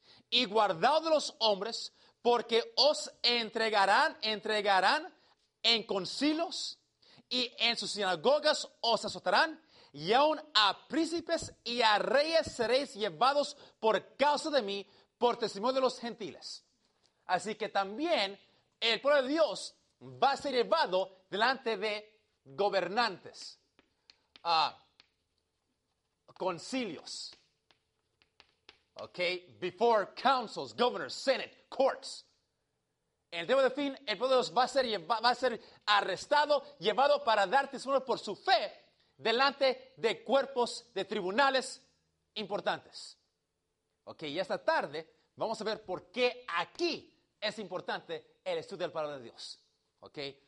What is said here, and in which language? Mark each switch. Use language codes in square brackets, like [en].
[es] Y guardaos de los hombres, porque os entregarán en concilios y en sus sinagogas os azotarán, y aun a príncipes y a reyes seréis llevados por causa de mí, por testimonio de los gentiles. Así que también el pueblo de Dios va a ser llevado delante de gobernantes, a concilios, ¿ok? [en] Before councils, governors, senate, courts. [es] En el tiempo de fin, el pueblo de Dios va a ser arrestado, llevado para dar testimonio por su fe delante de cuerpos de tribunales importantes. ¿Ok? Y esta tarde vamos a ver por qué aquí es importante el estudio del palabra de Dios. ¿Ok?